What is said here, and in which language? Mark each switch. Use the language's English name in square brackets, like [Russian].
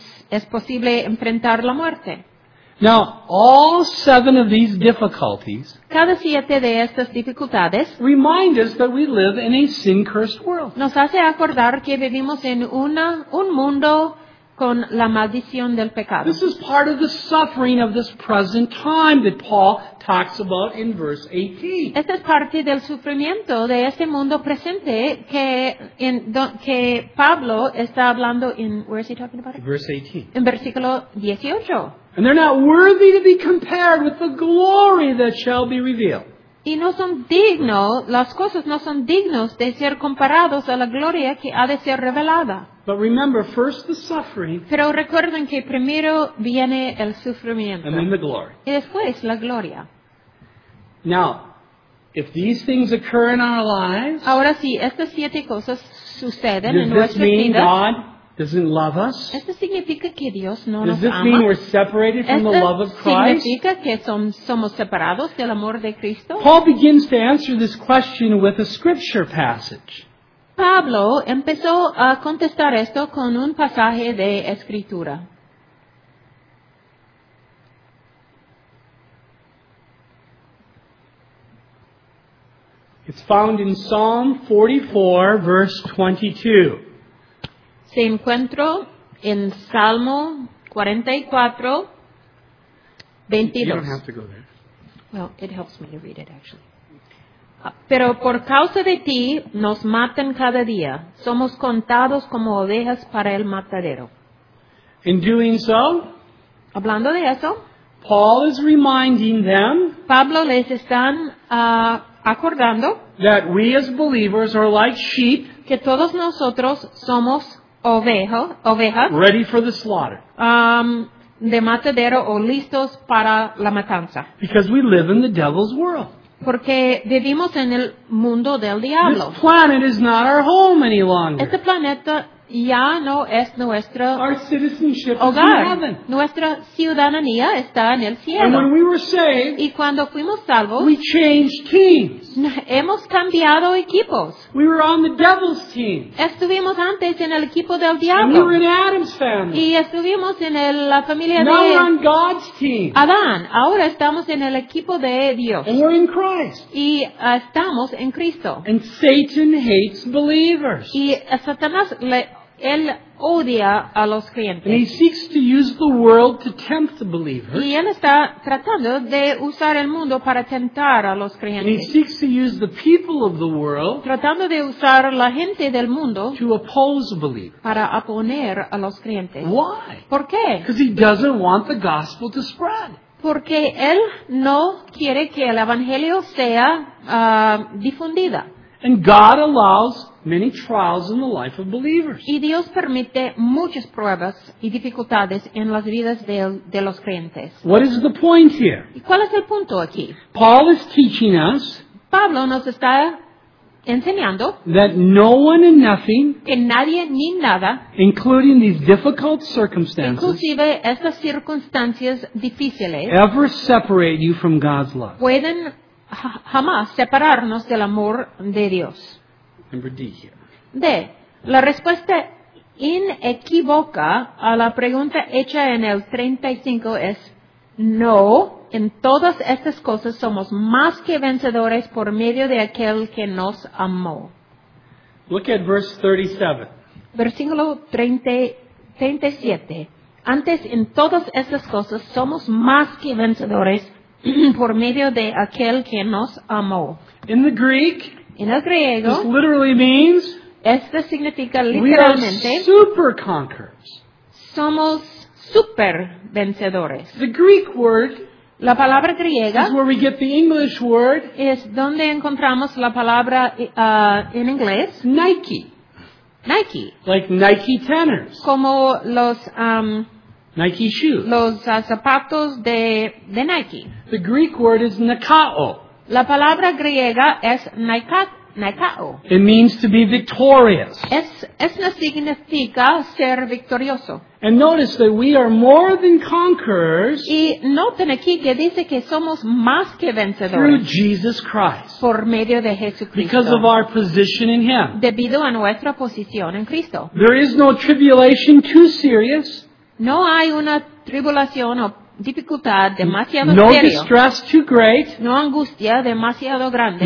[Spanish] Es posible enfrentar la muerte. [English] Now, all seven of these difficulties [Spanish] cada siete de estas dificultades [English] remind us that we live in a sin-cursed world. [Spanish] Nos hace acordar que vivimos en un mundo con la maldición del pecado. [English] This is part of the suffering of this present time that Paul talks about in verse 18. [Spanish] Esta es parte del sufrimiento de este mundo presente que Pablo está hablando en [English] verse [Spanish] 18. En versículo 18. [English] And they're not worthy to be compared with the glory that shall be revealed. [Spanish] Y no son dignos, las cosas no son dignos de ser comparados a la gloria que ha de ser revelada. [English] But remember, first the suffering. [Spanish] Pero recuerden que primero viene el sufrimiento. [English] And then the glory. [Spanish] Y después la gloria. [English] Now, if these things occur in our lives, [Spanish] ahora si estas siete cosas suceden en nuestras vidas, [English] God doesn't love us? [Spanish] ¿Esto significa que Dios no [English] Does [Spanish] nos [English] this [Spanish] ama? [English] Mean we're separated from the love of Christ? [Spanish] ¿Significa que somos separados del amor de Cristo? [English] Paul begins to answer this question with a scripture passage. [Spanish] Pablo empezó a contestar esto con un pasaje de escritura. [English] It's found in Psalm 44, verse 22. [Spanish] Se encuentro en Salmo 44, 22. [English] You don't have to go there. Well, it helps me to read it, actually. [Spanish] Pero por causa de ti, nos matan cada día. Somos contados como ovejas para el matadero. [English] In doing so, [Spanish] hablando de eso, [English] Paul is reminding them [Spanish] Pablo les están acordando [English] that we as believers are like sheep [Spanish] que todos nosotros somos ovejas [English] ready for the slaughter. [Spanish] De matadero o listos para la matanza. [English] Because we live in the devil's world. [Spanish] Porque vivimos en el mundo del diablo. [English] This planet is not our home any longer. [Spanish] Este planeta ya no es nuestro [English] our citizenship [Spanish] hogar. [English] Is in heaven. [Spanish] Nuestra ciudadanía está en el cielo. [English] And when we were saved, [Spanish] y cuando fuimos salvos, [English] we changed teams. [Spanish] Hemos cambiado equipos. [English] We were on the devil's team. [Spanish] Estuvimos antes en el equipo del diablo. [English] And we were in Adam's family. [Spanish] Y estuvimos en la familia [English] now [Spanish] de [English] we're on God's team. [Spanish] Adán. Ahora estamos en el equipo de Dios. [English] And we're in Christ. [Spanish] Y estamos en Cristo. [English] And Satan hates believers. [Spanish] Y Satanás le Él odia a los creyentes. [English] And he seeks to use the world to tempt the believers. [Spanish] Y él está tratando de usar el mundo para tentar a los creyentes. [English] And he seeks to use the people of the world, [Spanish] tratando de usar la gente del mundo, [English] to oppose believers. [Spanish] Para oponer a los creyentes. [English] Why? [Spanish] ¿Por qué? [English] Because he doesn't want the gospel to spread. [Spanish] Porque él no quiere que el evangelio sea difundida. [English] And God allows many trials in the life of believers. [Spanish] Y Dios permite muchas pruebas y dificultades en las vidas de los creyentes. [English] What is the point here? [Spanish] ¿Cuál es el punto aquí? [English] Paul is teaching us. [Spanish] Pablo nos está enseñando [English] that no one and nothing, [Spanish] que nadie ni nada, [English] including these difficult circumstances, [Spanish] inclusive estas circunstancias difíciles, [English] ever separate you from God's love. [Spanish] Pueden jamás separarnos del amor de Dios. [English] Number D here. [Spanish] D. La respuesta inequívoca a la pregunta hecha en el 35 es no. En todas estas cosas somos más que vencedores por medio de aquel que nos amó. [English] Look at verse 37. [Spanish] Versículo 37. Antes, en todas estas cosas somos más que vencedores por medio de aquel que nos amó. [English] In the Greek, [Spanish] en el griego, [English] this literally means, [Spanish] esto significa literalmente, [English] we are super conquerors. [Spanish] Somos super vencedores. [English] The Greek word, [Spanish] la palabra griega, [English] is where we get the English word, [Spanish] es donde encontramos la palabra en inglés, [English] Nike. [Spanish] Nike. [English] Like Nike tenors. [Spanish] Como los [English] Nike shoes. [Spanish] Los zapatos de Nike. [English] The Greek word is nikao. [Spanish] La palabra griega es nikao. [English] It means to be victorious. [Spanish] Eso significa ser victorioso. [English] And notice that we are more than conquerors. [Spanish] Y noten aquí que dice que somos más que vencedores. [English] Through Jesus Christ. [Spanish] Por medio de Jesucristo. [English] Because of our position in Him. [Spanish] Debido a nuestra posición en Cristo. [English] There is no tribulation too serious. [Spanish] No hay una tribulación o dificultad demasiado seria. [English] No distress too great. [Spanish] No angustia demasiado grande.